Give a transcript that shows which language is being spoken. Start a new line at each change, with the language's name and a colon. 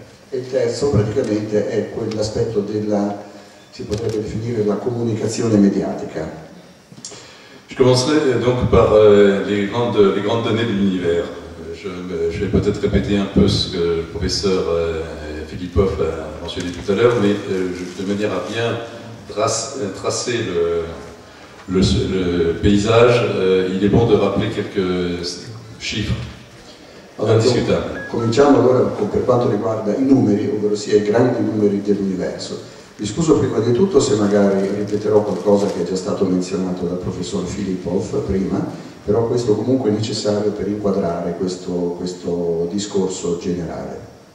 Italian: E il terzo, praticamente, è quell'aspetto della. Si potrebbe definire la comunicazione mediatica.
French: Je commencerai donc par les grandes données de l'univers. Je vais peut-être répéter un peu ce que le professeur Philippoff a mentionné tout à l'heure, mais de manière à bien tracer le paysage, il est bon de rappeler quelques chiffres.
Italian: Allora, cominciamo allora per quanto riguarda i numeri, ovvero sia i grandi numeri dell'universo. Mi scuso prima di tutto se magari ripeterò qualcosa che è già stato menzionato dal professor Filipov prima, però questo comunque è necessario per inquadrare questo discorso generale.